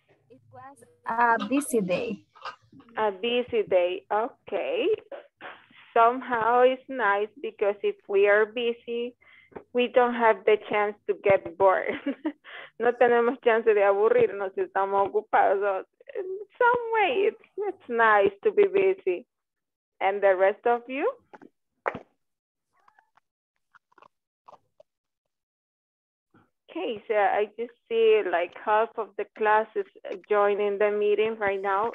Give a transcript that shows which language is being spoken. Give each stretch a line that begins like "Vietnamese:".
English: It was a busy day. A busy day, okay. Somehow it's nice because if we are busy, we don't have the chance to get bored.
Spanish: No tenemos chance de aburrirnos si estamos ocupados.
English: In some way, it's nice to be busy. And the rest of you? Okay, so I just see like half of the class is joining the meeting right now.